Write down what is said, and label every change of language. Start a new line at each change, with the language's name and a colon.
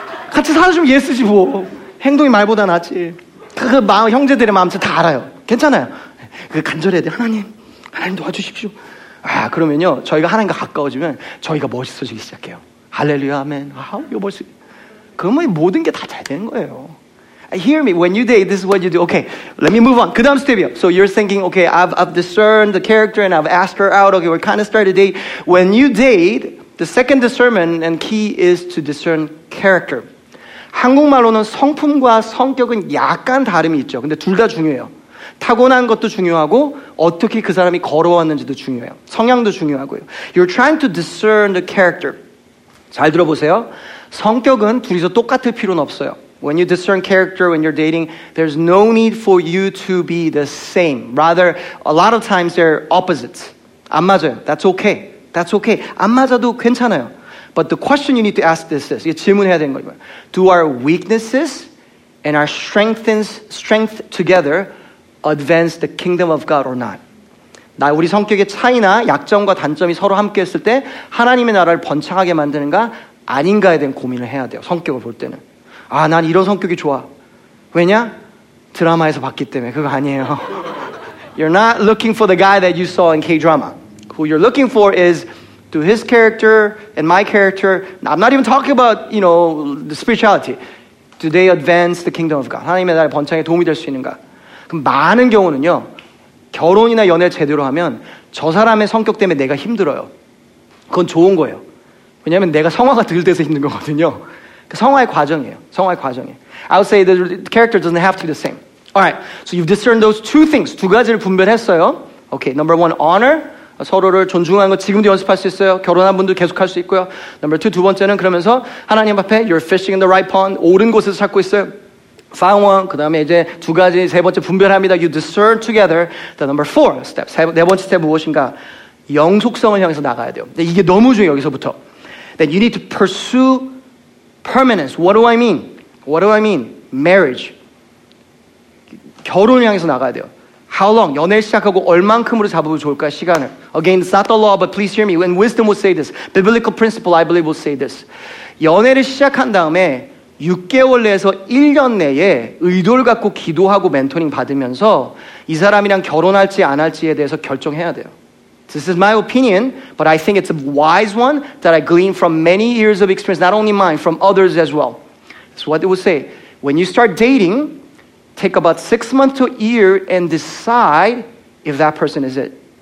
Korean: 같이 살아주면 예스지 뭐. 행동이 말보다 낫지. 그 마음, 형제들의 마음 다 알아요. 괜찮아요. 그 간절해야 돼. 하나님 도와주십시오. 아, 그러면요. 저희가 하나님과 가까워지면 저희가 멋있어지기 시작해요. 할렐루야, 아멘. 아우, 이거 멋있어. 그러면 모든 게 다 잘 되는 거예요.
English: Hear me. When you date, this is what you do. Okay, let me move on.
Korean: 그 다음 스텝이요.
English: So you're thinking, okay, I've discerned the character and I've asked her out. Okay, we're kind of starting to date. When you date, the second discernment and key is to discern character.
Korean: 한국말로는 성품과 성격은 약간 다름이 있죠. 근데 둘 다 중요해요. 타고난 것도 중요하고 어떻게 그 사람이 걸어왔는지도 중요해요. 성향도 중요하고요.
English: You're trying to discern the character.
Korean: 잘 들어보세요. 성격은 둘이서 똑같을 필요는 없어요.
English: When you discern character when you're dating, there's no need for you to be the same. Rather, a lot of times they're opposite.
Korean: 안 맞아요.
English: That's okay. That's okay.
Korean: 안 맞아도 괜찮아요.
English: But the question you need to ask this is,
Korean: 이게 질문해야 되는 거예요.
English: Do our weaknesses and our strength together advance the kingdom of God or not?
Korean: 나 우리 성격의 차이나 약점과 단점이 서로 함께 했을 때 하나님의 나라를 번창하게 만드는가 아닌가에 대한 고민을 해야 돼요. 성격을 볼 때는. 아, 난 이런 성격이 좋아. 왜냐? 드라마에서 봤기 때문에. 그거 아니에요.
English: You're not looking for the guy that you saw in K-drama. Who you're looking for is to his character and my character. I'm not even talking about, you know, the spirituality. Do they advance the kingdom of God?
Korean: 하나님의 나라 번창에 도움이 될 수 있는가? 그럼 많은 경우는요. 결혼이나 연애 제대로 하면 저 사람의 성격 때문에 내가 힘들어요. 그건 좋은 거예요. 왜냐하면 내가 성화가 덜 돼서 힘든 거거든요. 성화의 과정이에요. 성화의 과정이에요.
English: I would say the character doesn't have to be the same. Alright, so you've discerned those two things.
Korean: 두 가지를 분별했어요.
English: Okay, number one, honor.
Korean: 서로를 존중하는 거 지금도 연습할 수 있어요. 결혼한 분도 계속할 수 있고요.
English: Number two,
Korean: 두 번째는 그러면서 하나님 앞에
English: you're fishing in the right pond.
Korean: 옳은 곳에서 찾고 있어요.
English: Found one.
Korean: 그 다음에 이제 두 가지, 세 번째 분별합니다.
English: You discern together. The number four step.
Korean: 네 번째 step 무엇인가? 영속성을 향해서 나가야 돼요. 근데 이게 너무 중요해요. 여기서부터.
English: That you need to pursue permanence. What do I mean? Marriage.
Korean: 결혼을 향해서 나가야 돼요.
English: How long?
Korean: 연애 시작하고 얼만큼으로 잡으면 좋을까요? 시간을.
English: Again, it's not the law, but please hear me. And wisdom will say this. Biblical principle, I believe, will say this.
Korean: 연애를 시작한 다음에 6개월 내에서 1년 내에 의도를 갖고 기도하고 멘토링 받으면서 이 사람이랑 결혼할지 안 할지에 대해서 결정해야 돼요.
English: This is my opinion, but I think it's a wise one that I glean from many years of experience, not only mine, from others as well. That's what they would say. When you start dating, take about 6 months to a year and decide if that person is it.